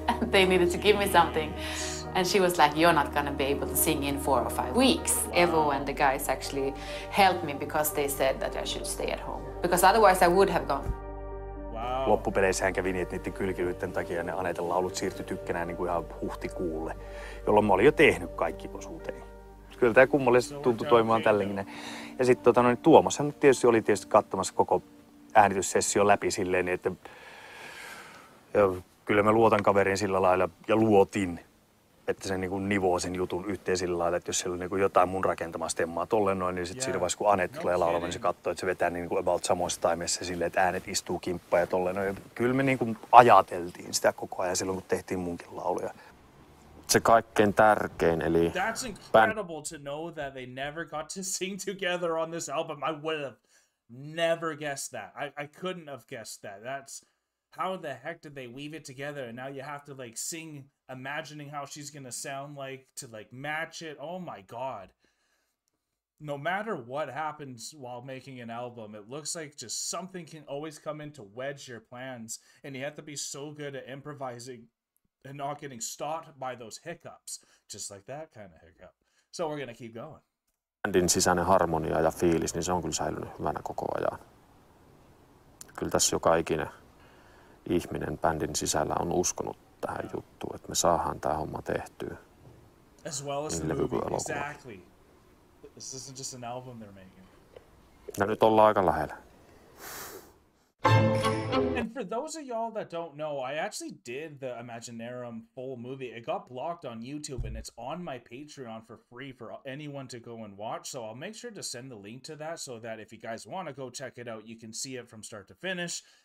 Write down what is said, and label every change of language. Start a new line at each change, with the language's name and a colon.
English: They needed to give me something, and she was like, you're not gonna be able to sing in 4 or 5 weeks. Evo and the guys actually helped me because they said that I should stay at home, because otherwise I would have gone.
Finnish: Loppupeleissähän kävi niin, että niiden kylkilyiden takia ne Anetan laulut siirtyi tykkänään niin kuin ihan huhtikuulle, jolloin mä olin jo tehnyt kaikki osuuteen. Kyllä tämä kummallisesti tuntui toimimaan tällekin. Ja sitten Tuomashan tietysti oli tietysti katsomassa koko äänityssessio läpi silleen, niin että ja kyllä mä luotan kaveriin sillä lailla ja luotin, että se niin kuin nivoo sen jutun yhteen sillä lailla, että jos siellä on niin kuin jotain mun rakentamaa stemmaa tolleen noin, niin sitten siinä vaiheessa, kun Anet tulee laulamaan, niin se katsoo, että se vetää niin kuin about samoissa taimessa silleen, että äänet istuu kimppaan ja tolleen noin. Ja kyllä me niin kuin ajateltiin sitä koko ajan silloin, kun tehtiin munkin lauluja. Se kaikkein tärkein, eli...
English: That's incredible to know that they never got to sing together on this album. I would have never guessed that. I couldn't have guessed that. That's... How the heck did they weave it together? And now you have to like sing, imagining how she's gonna sound like to like match it. Oh my god, no matter what happens while making an album, it looks like just something can always come in to wedge your plans, and you have to be so good at improvising and not getting stopped by those hiccups, just like that kind of hiccup. So we're going to keep going.
Finnish: Bändin sisäinen harmonia ja fiilis, niin se on kyllä säilynyt hyvänä koko ajan. Kyllä tässä joka ikinen ihminen bändin sisällä on uskonut tähän juttuun, että me saadaan tämä homma tehtyä.
English: As well as the movie, exactly. This isn't just an album they're making.
Finnish: No, nyt ollaan aika lähellä.
English: And for those of y'all that don't know, I actually did the Imaginaerum full movie. It got blocked on YouTube, and it's on my Patreon for free for anyone to go and watch. So I'll make sure to send the link to that so that if you guys want to go check it out, you can see it from start to finish.